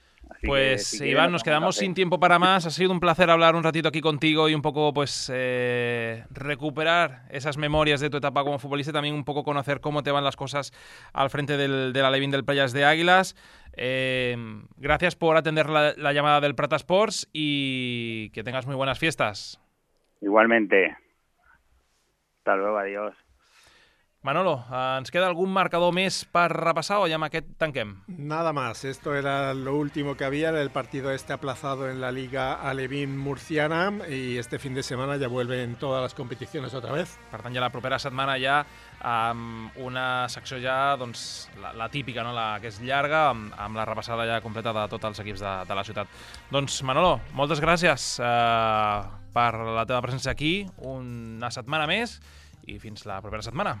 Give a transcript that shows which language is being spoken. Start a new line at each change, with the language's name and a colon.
Spanish: Así pues que, si Iván, quieres, nos quedamos sin tiempo para más. Ha sido un placer hablar un ratito aquí contigo y un poco pues recuperar esas memorias de tu etapa como futbolista, también un poco conocer cómo te van las cosas al frente del Alevín del Playas de Águilas. Gracias por atender la llamada del Prata Sports y que tengas muy buenas fiestas. Igualmente. Hasta luego, adiós.
Catalan: Manolo, ¿ens queda algun marcador més per repassar o ja amb aquest tanquem?
Spanish: Nada más. Esto era lo último que había. El partido este aplazado en la Liga Alevín Murciana y este fin de semana ya vuelven todas las competiciones otra vez.
Catalan: Per tant, ja la propera setmana ja amb una secció ja, doncs, la típica, no? Que és llarga, amb la repassada ja completa de tots els equips de la ciutat. Doncs, Manolo, moltes gràcies per la teva presència aquí una setmana més. I fins la propera setmana.